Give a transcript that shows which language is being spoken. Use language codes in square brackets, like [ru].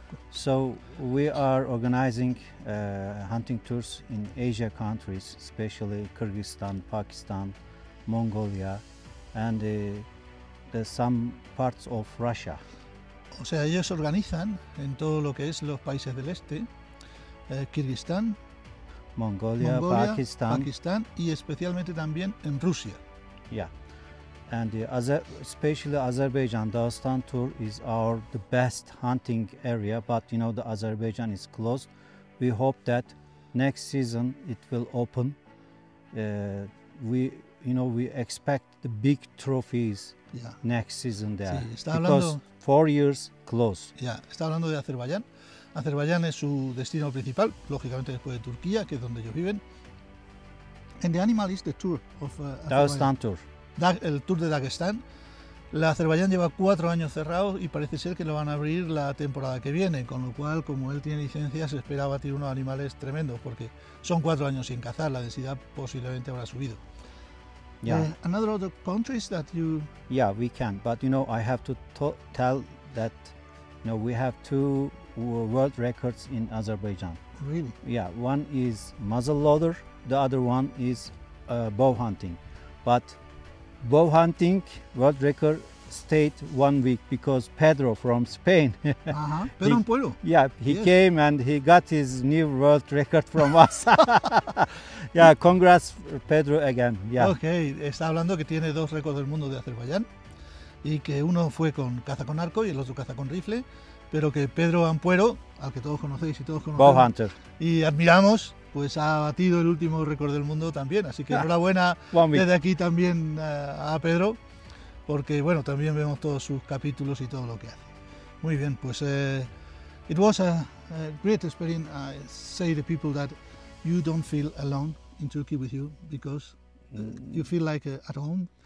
[en] So we are organizing hunting tours in Asia countries, especially Kyrgyzstan, Pakistan, Mongolia, and the some parts of Russia. [es] O sea, ellos organizan en todo lo que es los países del este, Kyrgyzstan, Mongolia, Pakistan, y especialmente también en Rusia. [en] Yeah. And especially Azerbaijan, Dagestan tour is the best hunting area, but you know the Azerbaijan is closed. We hope that next season it will open. We expect the big trophies. Yeah. Next season there. [es] Sí, está [en] because [es] hablando, [en] 4 years closed. [es] Yeah, está hablando de Azerbaiyán. Azerbaiyán es su destino principal, lógicamente después de Turquía, que es donde ellos viven. [en] And the animal is the tour of Dagestan tour. [es] El tour de Dagestán, La Azerbaiyán lleva 4 años cerrado y parece ser que lo van a abrir la temporada que viene, con lo cual, como él tiene licencia, se espera abatir unos animales tremendos, porque son 4 años sin cazar, la densidad posiblemente habrá subido. [en] Yeah. Another other countries that you... Yeah, we can, but you know, I have to tell that, you know, we have 2 world records in Azerbaijan. Really? Yeah, one is muzzle loader, the other one is bow hunting. But bow hunting world record stayed 1 week because Pedro from Spain. [es] Pedro en Pueblo. [en] Yeah, he yes. came and he got his new world record from us. Yeah, congrats Pedro again. Yeah. [es] Okay, está hablando que tiene 2 récords del mundo de Azerbaiyán y que uno fue con caza con arco y el otro caza con rifle. Pero que Pedro Ampuero, al que todos conocéis y todos conocemos, [en] bow hunter. [es] Y admiramos, pues ha batido el último récord del mundo también. Así que enhorabuena desde aquí también a Pedro, porque bueno, también vemos todos sus capítulos y todo lo que hace. Muy bien, pues [en] it was a great experience. I say to people that you don't feel alone in Turkey with you, because you feel like at home.